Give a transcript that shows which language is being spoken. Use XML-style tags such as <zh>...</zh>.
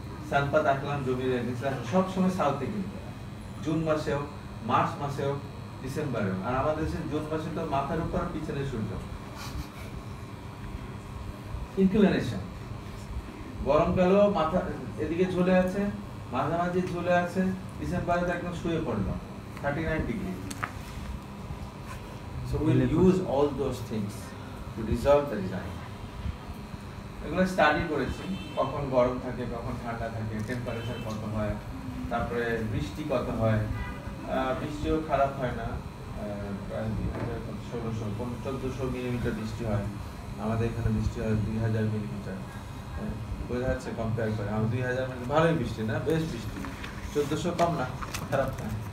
<bn>সানপাত আঁকলাম জমির সব সময় সাউথে, কিন্তু জুন মাসেও, মার্চ মাসেও, ডিসেম্বরেও, আর আমাদের দেশে জুন মাসে তো মাথার উপর পিছনে সূর্য, ইনক্লিনেশন, গরমকালেও মাথা এদিকে ঝুলে আছে, মাঝামাঝি ঝুলে আছে, ডিসেম্বরে তো একদম শুয়ে পড়লো 39 degrees।</bn> <en>So we'll use all those things to reserve the design.</en> <bn>এগুলো স্টাডি করেছি, কখন গরম থাকে, কখন ঠান্ডা থাকে, টেম্পারেচার কত হয়, তারপরে বৃষ্টি কত হয়, বৃষ্টিও খারাপ হয় না, প্রায় 1400-1400 mm বৃষ্টি হয়, আমাদের এখানে বৃষ্টি হয় 2000 mm, বোঝা যাচ্ছে কম্পেয়ার করে, আমার 2000 mm ভালোই বৃষ্টি, না বেশ বৃষ্টি, 1400 কম না, খারাপ না।</bn>